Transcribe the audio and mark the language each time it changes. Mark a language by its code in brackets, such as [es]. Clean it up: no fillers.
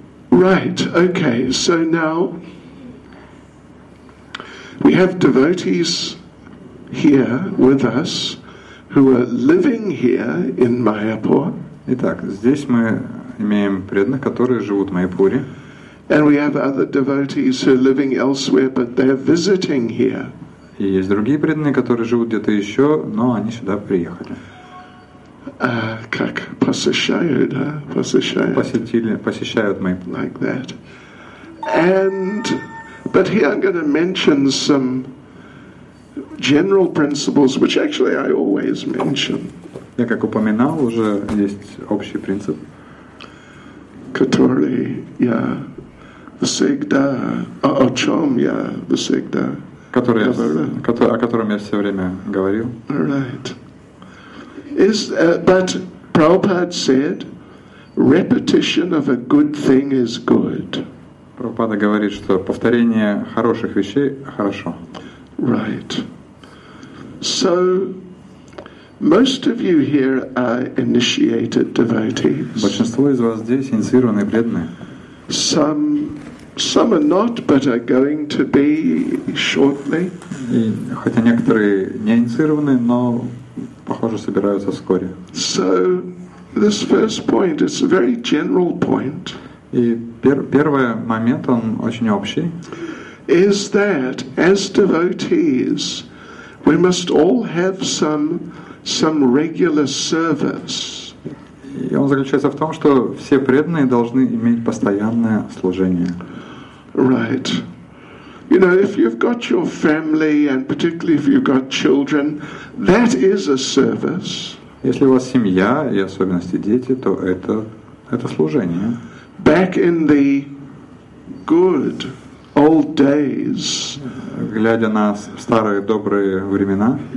[en] Right, okay, so now we have devotees here with us who are living here in Mayapur. [ru] Итак, здесь мы имеем преданных, которые живут в Майяпуре. [en] And we have other devotees who are living elsewhere, but they're visiting here. [ru] И есть другие преданные, которые живут где-то еще, но они сюда приехали. Как посещают, да? Посещают. Посещают мои. [en] Like that. And, but here I'm going to mention some general principles, which actually I always mention. [ru] Я как упоминал, уже есть общий принцип. Который я всегда, о чем я всегда о котором я все время говорил. [en] Right. But Prabhupada said, repetition of a good thing is good. [ru] Прабхупада говорит, что повторение хороших вещей хорошо. [en] Right. So most of you here are initiated devotees. [ru] Большинство из вас здесь инициированные преданные. [en] Some are not, but are going to be shortly. [ru] И, хотя некоторые не инициированы, но похоже собираются вскоре. [en] So this first point is a very general point. [ru] И первый момент он очень общий. [en] Is that as devotees, we must all have some regular service. [ru] И он заключается в том, что все преданные должны иметь постоянное служение. [en] Right. You know, if you've got your family, and particularly if you've got children, that is a service. [ru] Если у вас семья и особенности дети, то это служение. [en] Back in the good old days. [ru] Глядя на старые добрые времена.